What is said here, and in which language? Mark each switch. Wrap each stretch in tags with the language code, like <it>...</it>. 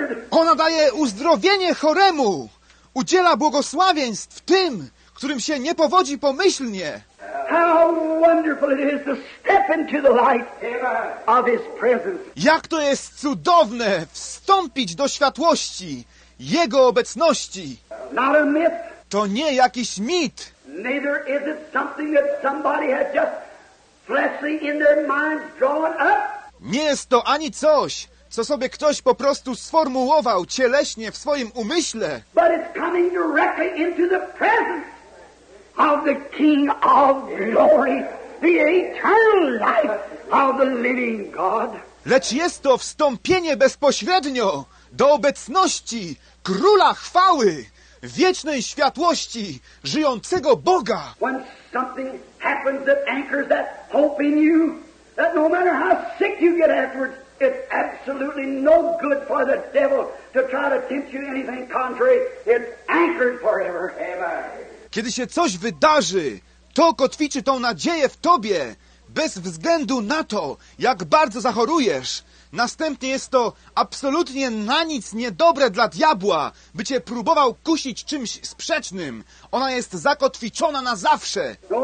<pl>Ona daje uzdrowienie choremu. Udziela błogosławieństw tym, którym się nie powodzi pomyślnie.</pl> <en>How wonderful it is to step into the light of His presence.</en> <pl>Jak to jest cudowne wstąpić do światłości Jego obecności.</pl> <en>Not a myth.</en> <pl>To nie jakiś mit.</pl> <en>Neither is it something that somebody has just fleshly in their minds drawn up.</en> <pl>Nie jest to ani coś, co sobie ktoś po prostu sformułował cieleśnie w swoim umyśle.</pl> <en>But it's coming directly into the presence of the King of Glory, the eternal life of the living God.</en> <pl>Lecz jest to wstąpienie bezpośrednio do obecności Króla Chwały, wiecznej światłości żyjącego Boga.</pl> <en>When something happens that anchors that hope in you, that no matter how sick you get afterwards, it's absolutely no good for the devil to try to tempt you anything contrary. It's anchored forever.</en> <pl>Kiedy się coś wydarzy, kto kotwiczy tą nadzieję w tobie, bez względu na to, jak bardzo zachorujesz. Następnie jest to absolutnie na nic niedobre dla diabła, by cię próbował kusić czymś sprzecznym. Ona jest zakotwiczona na zawsze.</pl>